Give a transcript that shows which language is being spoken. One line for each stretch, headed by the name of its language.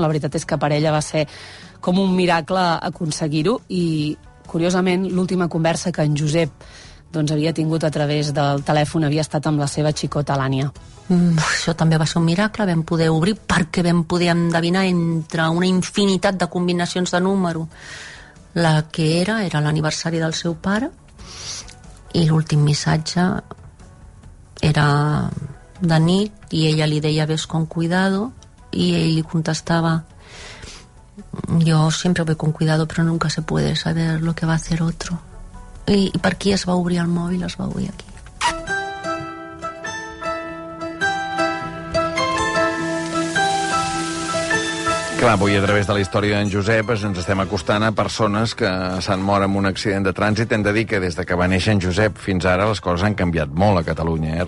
Catalan: La veritat és que per ella va ser com un miracle aconseguir-ho i, curiosament, l'última conversa que en Josep doncs, havia tingut a través del telèfon havia estat amb la seva xicota, l'Ània. Això també va ser un miracle, vam poder obrir perquè vam poder endevinar entre una infinitat de combinacions de número la que era l'aniversari del seu pare. I l'últim missatge era de nit i ella li deia
Spanish: ves con cuidado
Catalan: i ell li contestava jo sempre
Spanish: voy con cuidado
Catalan: però
Spanish: nunca se puede saber lo que va a hacer otro.
Catalan: I per qui es va obrir el mòbil? Es va obrir aquí. Clar, avui a través de la història d'en Josep ens estem acostant a persones que s'han mort en un accident de trànsit. Hem de dir que des de que va néixer en Josep fins ara les coses han canviat molt a Catalunya.